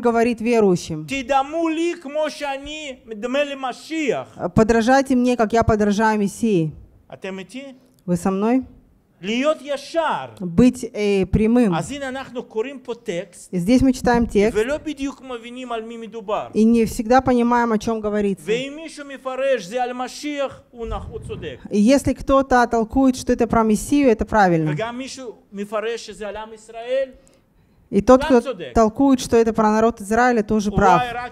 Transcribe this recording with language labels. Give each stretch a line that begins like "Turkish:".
Russian: говорит верующим: подражайте мне, как я подражаю Мессии. Вы со мной?
Hebrew: להיות ישר.
Russian: Быть прямым.
Hebrew: אז הנה אנחנו קוראים פה טקסט.
Russian: Здесь мы читаем текст.
Hebrew: ולא בדיוק מבינים על מי מדובר.
Russian: И не всегда понимаем, о чем говорится.
Hebrew: ואם מישהו מפרש זה על משיח, הוא צודק.
Russian: Если кто-то толкует, что это про Мессию, это правильно.
Hebrew: וגם מישהו מפרש שזה על עם ישראל,
Russian: и тот, кто толкует, что это про народ Израиля, тоже прав.